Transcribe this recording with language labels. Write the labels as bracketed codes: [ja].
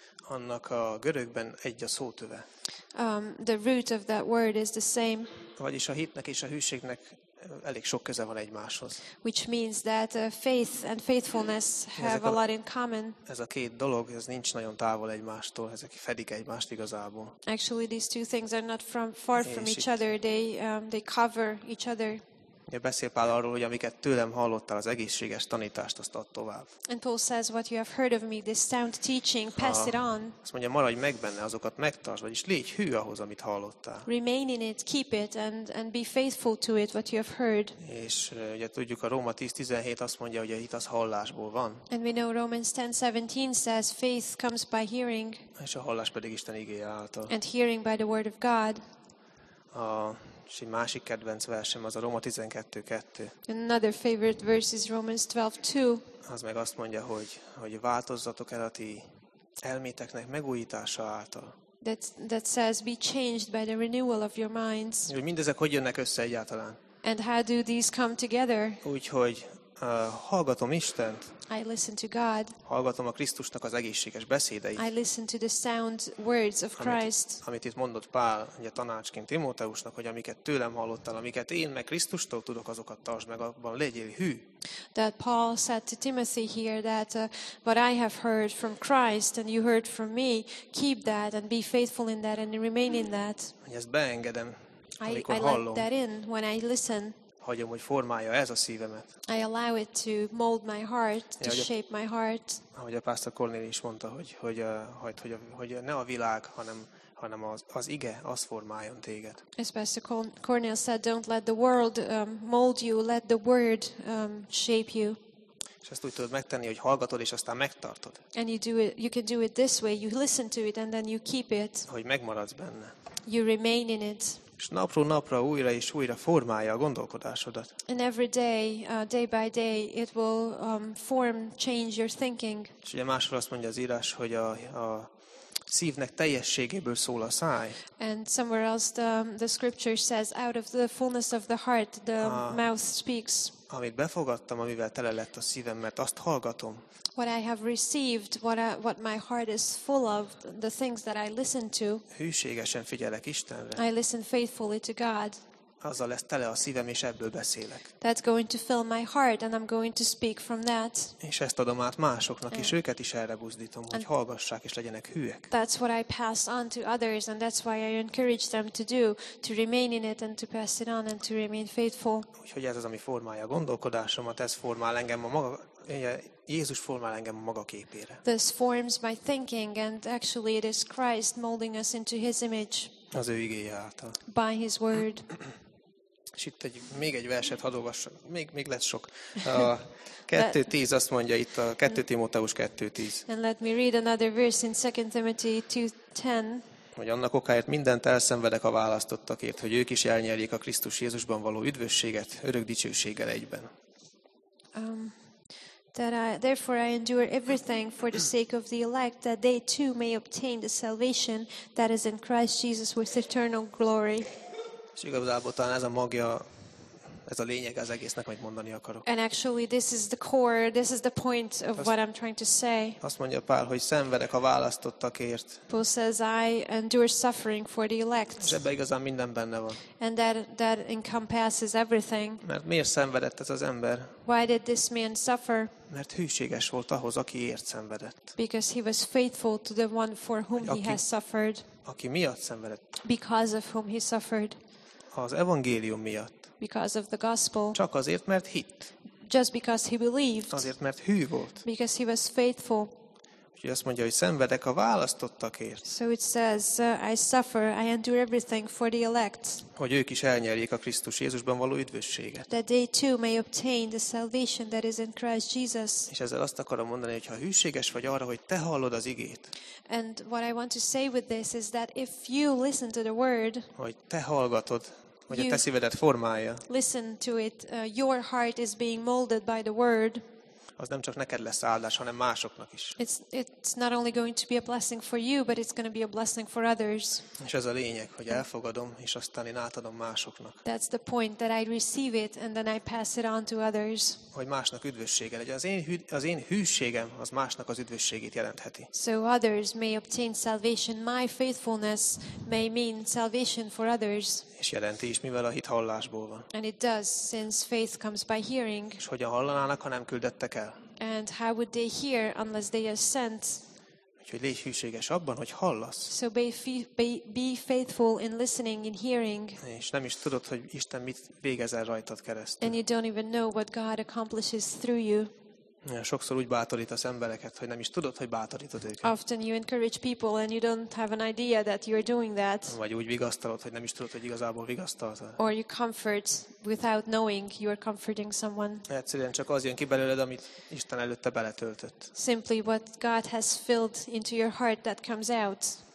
[hu] Annak a görögben egy a szótöve. [en] The root of that word is the same. [hu] Vagyis a hitnek és a hűségnek elég sok köze van egymáshoz. [en] Which means that faith and faithfulness have a lot in common. [hu] Ez a két dolog, ez nincs nagyon távol egymástól, ezek fedik egymást igazából. [en] Actually these two things are not far from each other, they cover each other. [hu] Beszél Pál arról, hogy amiket tőlem hallottál, az egészséges tanítást, azt add tovább. [en] And Paul says, what you have heard of me, this sound teaching, pass it on. [hu] Azt mondja, maradj meg benne, azokat megtartsd, vagyis légy hű ahhoz, amit hallottál. [en] Remain in it, keep it, and be faithful to it, what you have heard. [hu] És ugye tudjuk, a Róma 10:17 azt mondja, hogy a hit az hallásból van. [en] And we know Romans 10:17 says, faith comes by hearing. [hu] És a hallás pedig Isten igéje által. [en] And hearing by the word of God. [hu] És egy másik kedvenc versem az a Róma 12:2. [en] Another favorite verse is Romans 12:2. [hu] Az meg azt mondja, hogy változzatok el a ti elméteknek megújítása által. [en] That says be changed by the renewal of your minds. [hu] Mindezek hogy jönnek össze egyáltalán? [en] And how do these come together? [hu] Úgyhogy Hallgatom Istent. [en] I listen to God. [hu] Hallgatom a Krisztusnak az egészséges beszédeit. [en] I listen to the sound words of Christ. [hu] Amit itt mondott Pál, ugye tanácsként Timóteusnak, hogy amiket tőlem hallottál, amiket én meg Krisztustól tudok, azokat tartsd meg, abban legyél hű. [en] That Paul said to Timothy here that what I have heard from Christ and you heard from me, keep that and be faithful in that and remain in that. [hu] Ezt beengedem, amikor hallom. [en] I let that in when I listen. [hu] Hagyom, hogy formálja ez a szívemet. [en] I allow it to mold my heart, to shape my heart. [hu] Ahogy a Pásztor Kornélius is mondta, hogy ne a világ, hanem az ige, az formáljon téged. [en] As Pastor Cornelius said, don't let the world mold you, let the word shape you. [hu] És ezt úgy tudod megtenni, hogy hallgatod és aztán megtartod. [en] And you can do it this way, you listen to it and then you keep it. [hu] Hogy megmaradsz benne. [en] You remain in it. [hu] És napról napra újra és újra formálja a gondolkodásodat. [en] And every day, day by day, it will change your thinking. [hu] És ugye máshol azt mondja az írás, hogy a szívnek teljességéből szól a száj. [en] And somewhere else the scripture says, out of the fullness of the heart, the mouth speaks. [hu] Amit befogadtam, amivel tele lett a szívem, mert azt hallgatom. [en] What I have received, what my heart is full of, the things that I listen to. [hu] Hűségesen figyelek Istenre. [en] I listen faithfully to God. [hu] Azzal lesz tele a szívem, és ebből beszélek. [en] That's going to fill my heart, and I'm going to speak from that. [hu] És ezt adom át másoknak, és őket is erre buzdítom, hogy hallgassák, és legyenek hűek. [en] That's what I pass on to others, and that's why I encourage them to do, to remain in it, and to pass it on, and to remain faithful. [hu] Úgyhogy ez az, ami formálja a gondolkodásomat, ez formál engem a maga, Jézus formál engem a maga képére. [en] This forms my thinking, and actually it is Christ molding us into his image. [hu] Az ő igéje által. [en] By his word. [hu] És itt még egy verset hadd olvassam, még lesz sok. A 2:10 azt mondja itt, a 2 Timóteus 2:10. [en] And let me read another verse in 2 Timothy 2:10. [hu] Hogy annak okáért mindent elszenvedek a választottakért, hogy ők is elnyerjék a Krisztus Jézusban való üdvösséget örök dicsőséggel egyben. [en] Therefore I endure everything for the sake of the elect, that they too may obtain the salvation that is in Christ Jesus with eternal glory. [hu] És igazából talán ez a magja, ez a lényeg az egésznek, amit mondani akarok. [en] And actually this is the core, this is the point of what I'm trying to say. [hu] Azt mondja Pál, hogy szenvedek a választottakért. [en] Paul says I endure suffering for the elect. [hu] És ebben igazán minden benne van. [en] And that encompasses everything. [hu] Mert miért szenvedett ez az ember? [en] Why did this man suffer? [hu] Mert hűséges volt ahhoz, akiért szenvedett. [en] Because he was faithful to the one for whom he has suffered. [hu] Aki miatt szenvedett. [en] Because of whom he suffered. [hu] Az evangélium miatt. [en] Because of the gospel. [hu] Csak azért, mert hitt. [en] Just because he believed. [hu] Azért, mert hű volt. [en] Because he was faithful. [hu] Úgyhogy azt mondja, hogy szenvedek a választottakért. [en] So it says, I suffer, I endure everything for the elect. [hu] Hogy ők is elnyerjék a Krisztus Jézusban való üdvösséget. [en] That they too may obtain the salvation that is in Christ Jesus. [hu] És ezzel azt akarom mondani, hogy ha hűséges vagy arra, hogy te hallod az igét. [en] And what I want to say with this is that if you listen to the word. [hu] Hogy te hallgatod. Hogy a te szívedet formálja. [en] Listen to it. Your heart is being molded by the word. [hu] Az nem csak neked lesz áldás, hanem másoknak is. [en] It's not only going to be a blessing for you, but it's going to be a blessing for others. [hu] És ez a lényeg, hogy elfogadom, és aztán én átadom másoknak. [en] That's the point, that I receive it, and then I pass it on to others. [hu] Hogy másnak üdvössége legyen. Az én hűségem, az másnak az üdvösségét jelentheti. [en] So others may obtain salvation. My faithfulness may mean salvation for others. [hu] És jelenti is, mivel a hit hallásból van. [en] And it does, since faith comes by hearing. [hu] És hogyan hallanának, ha nem küldettek el? [en] And how would they hear unless they are sent? [hu] Úgyhogy légy hűséges abban, hogy hallasz. [en] So be faithful in listening, in hearing. [hu] És nem is tudod, hogy Isten mit végez el rajtad keresztül. [en] And you don't even know what God accomplishes through you. [hu] Sokszor úgy bátorítasz embereket, hogy nem is tudod, hogy bátorítod őket. [en] Often you encourage people and you don't have an idea that you're doing that. [hu] Vagy úgy vigasztalod, hogy nem is tudod, hogy igazából vigasztaltál. [en] Or you comfort without knowing you are comforting someone. [hu] Egyszerűen csak az jön ki belőled, amit Isten előtte beletöltött. [en] Simply what God has filled into your heart that comes out.